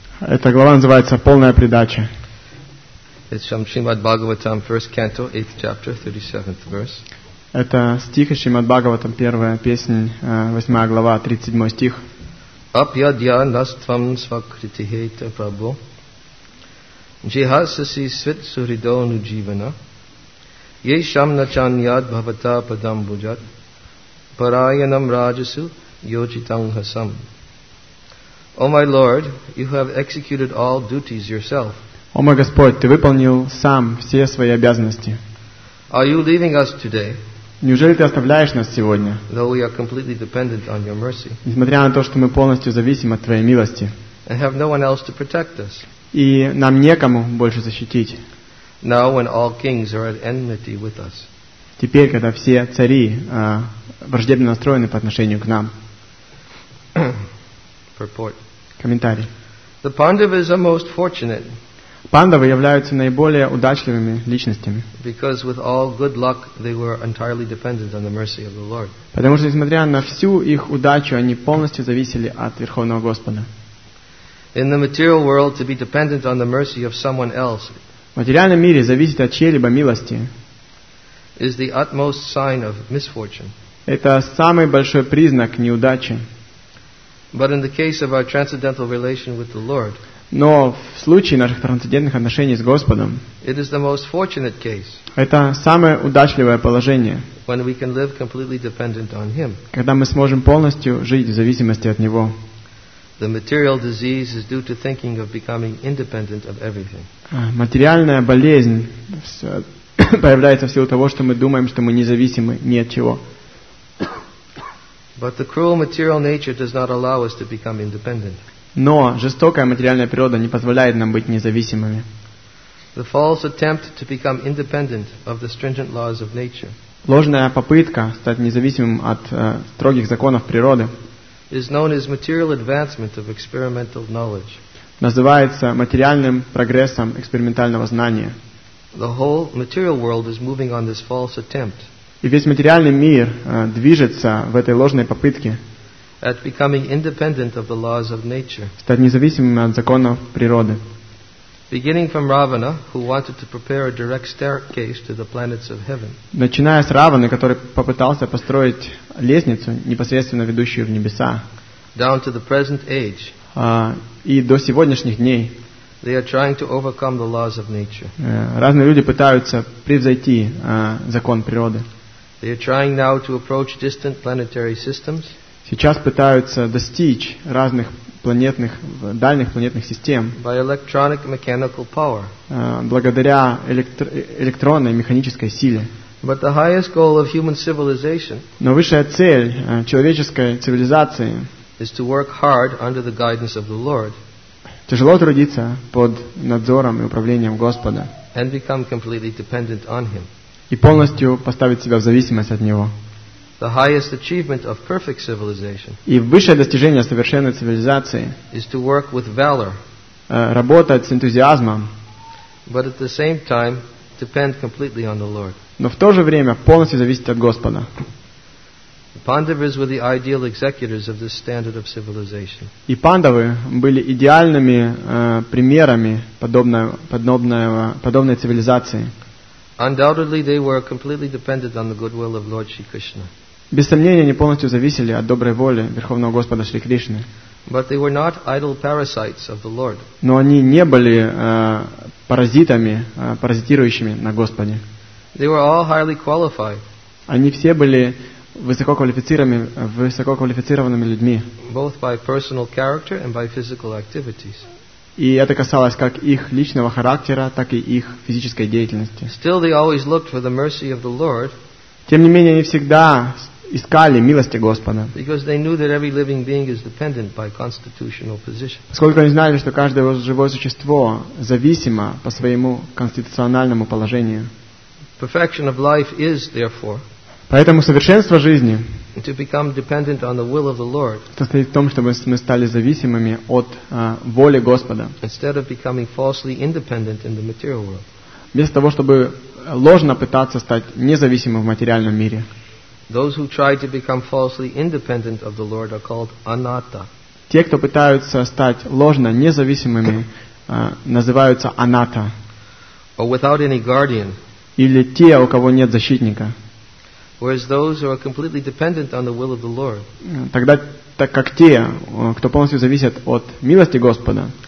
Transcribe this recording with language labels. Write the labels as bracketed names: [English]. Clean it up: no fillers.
[Russian] Эта глава называется «Полная предача». [English] It's from Srimad Bhagavatam, first canto, 8th chapter, 37th verse. [Russian] Это стих из Шримад Бхагаватам, первая песня, 8 глава, 37 стих. [Sanskrit] Апьядья наствам свакритихейта прабху Джихасаси свит сурида нудживана Ешам начаньяд бхавата падам буджат Parayanam Rajasu Yojitang Hasam. [English] O my Lord, you have executed all duties yourself. [Russian] О мой Господь, ты выполнил сам все свои обязанности. [English] Are you leaving us today? [Russian] Неужели ты оставляешь нас сегодня? [English] Though we are completely dependent on your mercy. [Russian] Несмотря на то, что мы полностью зависим от твоей милости. [English] And have no one else to protect us. [Russian] И нам некому больше защитить. [English] Now when all kings are at enmity with us. [Russian] Теперь, когда все цари враждебно настроены по отношению к нам. Комментарий. [English] The Pandavas are most fortunate. [Russian] Пандавы являются наиболее удачливыми личностями. [English] Because with all good luck, they were entirely dependent on the mercy of the Lord. [Russian] Потому что, несмотря на всю их удачу, они полностью зависели от Верховного Господа. [English] In the material world, to be dependent on the mercy of someone else. [Russian] В материальном мире зависеть от чьей-либо милости. [English] Is the utmost sign of misfortune. [Russian] Это самый большой признак неудачи. [English] But in the case of our transcendental relation with the Lord, [Russian] но в случае наших трансцендентных отношений с Господом, [English] it is the most fortunate case. [Russian] Это самое удачливое положение. [English] When we can live completely dependent on Him. [Russian] Когда мы сможем полностью жить в зависимости от Него. [English] The material disease is due to thinking of becoming independent of everything. [Russian] Материальная болезнь появляется в силу того, что мы думаем, что мы независимы ни от чего. [English] But the cruel material nature does not allow us to become independent. [Russian] Но жестокая материальная природа не позволяет нам быть независимыми. [English] The false attempt to become independent of the stringent laws of nature. [Russian] Ложная попытка стать независимым от строгих законов природы. [English] Is known as material advancement of experimental knowledge. [Russian] Называется материальным прогрессом экспериментального знания. [English] The whole material world is moving on this false attempt. [Russian] И весь материальный мир движется в этой ложной попытке. [English] At becoming independent of the laws of nature. [Russian] Стать независимым от законов природы. [English] Beginning from Ravana, who wanted to prepare a direct staircase to the planets of heaven. [Russian] Начиная с Раваны, который попытался построить лестницу, непосредственно ведущую в небеса. [English] Down to the present age. [Russian] И до сегодняшних дней. [English] They are trying to overcome the laws of nature. [Russian] Разные люди пытаются превзойти закон природы. [English] They are trying now to approach distant planetary systems. [Russian] Сейчас пытаются достичь разных планетных, дальних планетных систем. [English] By electronic mechanical power. [Russian] Благодаря электронной механической силе. [English] But the highest goal of human civilization. [Russian] Но высшая цель человеческой цивилизации. [English] Is to work hard under the guidance of the Lord. [Russian] Тяжело трудиться под надзором и управлением Господа. [English] And become completely dependent on Him. [Russian] И полностью поставить себя в зависимость от Него. [English] The highest achievement of perfect civilization. [Russian] И высшее достижение совершенной цивилизации. [English] Is to work with valor. [Russian] Работать с энтузиазмом. [English] But at the same time, depend completely on the Lord. [Russian] Но в то же время полностью зависеть от Господа. [English] The Pandavas were the ideal executors of this standard of civilization. [Russian] И пандавы были идеальными примерами подобной цивилизации. [English] Undoubtedly, they were completely dependent on the goodwill of Lord Shri Krishna. [Russian] Без сомнения, они полностью зависели от доброй воли Верховного Господа Шри Кришны. [English] But they were not idle parasites of the Lord. [Russian] Но они не были паразитами, паразитирующими на Господе. [English] They were all highly qualified. [Russian] Они все были высококвалифицированными людьми. [English] Both by personal character and by physical activities. [Russian] И это касалось как их личного характера, так и их физической деятельности. [English] Still, they always looked for the mercy of the Lord. [Russian] Тем не менее, они всегда искали милости Господа. [English] Because they knew that every living being is dependent by constitutional position. [Russian] Поскольку они знали, что каждое живое существо зависимо по своему конституциональному положению. [English] Perfection of life is, therefore, [Russian] поэтому совершенство жизни [English] to become dependent on the will of the Lord, [Russian] состоит в том, чтобы мы стали зависимыми от воли Господа. [English] Instead of becoming falsely independent in the material world. [Russian] Вместо того, чтобы ложно пытаться стать независимым в материальном мире. [English] Those who try to become falsely independent of the Lord are called anatta. [Russian] Те, кто пытаются стать ложно независимыми, называются анатта. [English] Or without any guardian. [Russian] Или те, у кого нет защитника. [English] Whereas those who are completely dependent on the will of the Lord. [Russian] Тогда так как те, кто полностью зависят от милости Господа,